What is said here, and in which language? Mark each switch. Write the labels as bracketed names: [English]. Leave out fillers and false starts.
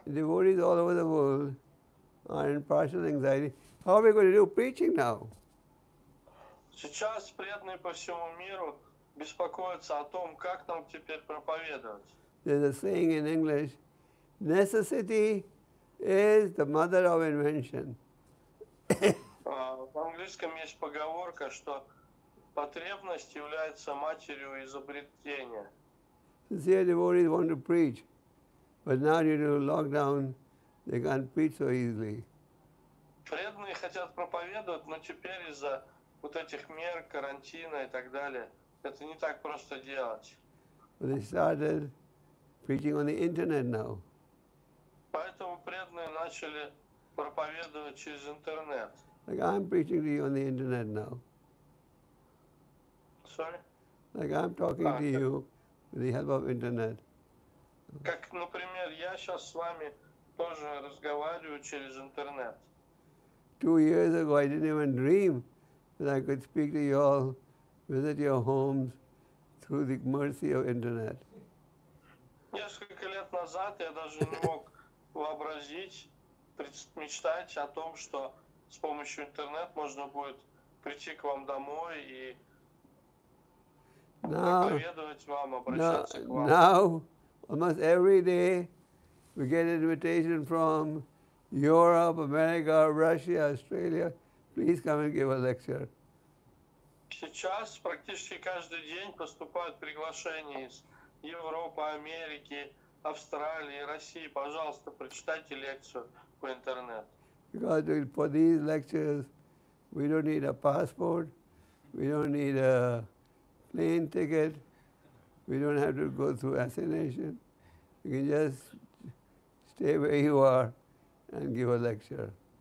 [English] Devotees all over the world are in partial anxiety. How are we going to do preaching now? [Russian] Сейчас преданные по всему миру беспокоятся о том, как нам теперь проповедовать. [English] There's a saying in English, necessity is the mother of invention. [Russian] В английском есть поговорка, что потребность является матерью изобретения. [English] Sincere devotees want to preach, but now due to lockdown, they can't preach so easily. [Russian] Преданные хотят проповедовать, но теперь из-за вот этих мер карантина и так далее, это не так просто делать. [English] They started preaching on the internet now. [Russian] Поэтому преданные начали проповедовать через интернет. [English] Like I'm preaching to you on the internet now. Like I'm talking to you with the help of internet. [Russian] Как, например, я сейчас с вами тоже разговариваю через интернет. [English] 2 years ago, I didn't even dream that I could speak to you all, visit your homes through the mercy of internet. [Russian] Несколько лет назад я даже не мог вообразить, мечтать о том, что с помощью интернет можно будет прийти к вам домой и проповедовать вам, обращаться к вам. [English] Almost every day, we get an invitation from Europe, America, Russia, Australia. Please come and give a lecture. [Russian] Сейчас практически каждый день поступают приглашения из Европы, Америки, Австралии, России. Пожалуйста, прочитайте лекцию по интернет. [English] Because for these lectures, we don't need a passport, we don't need a plane ticket, we don't have to go through assignation. You can just stay where you are and give a lecture.